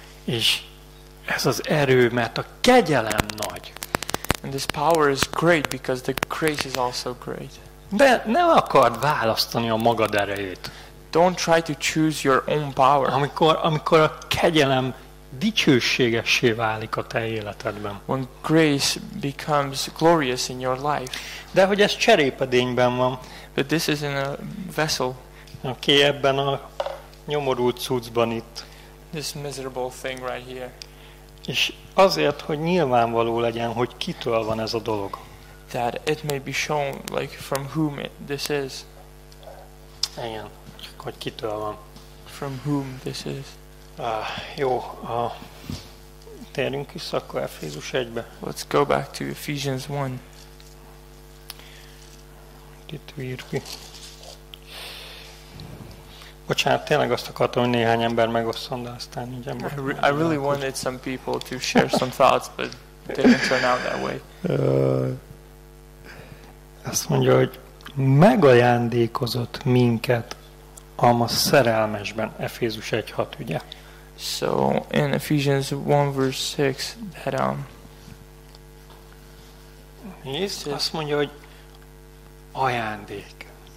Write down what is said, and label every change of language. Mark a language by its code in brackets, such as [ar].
[hu] És ez az erő, mert a kegyelem nagy. [en] And this power is great because the grace is also great. [hu] De nem akard választani a magad erejét. [en] Don't try to choose your own power. [hu] Amikor a kegyelem dicsőségessé válik a te életedben. [en] When grace becomes glorious in your life. [hu] De hogy ez cserépedényben van. [en] But this is in a vessel. [hu] Aki ebben a nyomorult cuccban itt. [en] This miserable thing right here. [hu] És azért, hogy nyilvánvaló legyen, hogy kitől van ez a dolog. [en] That it may be shown, like, from whom it, this is. [hu] Igen, csak hogy kitől van. [en] From whom this is. [hu] Jó, térjünk vissza akkor Efézus 1-be. [en] Let's go back to Ephesians 1. [hu] Itt Virgi. Bocsánat, tényleg azt akartam, hogy néhány ember megosszon, de aztán így ember. [en] I really wanted some people to share some thoughts, but it didn't turn out that way. [hu] Azt mondja, hogy megajándékozott minket ama szerelmesben, Efézus 1:6, ugye? [en] So, in Ephesians 1, verse 6, that, [hu] Nézd, azt mondja, hogy ajándék.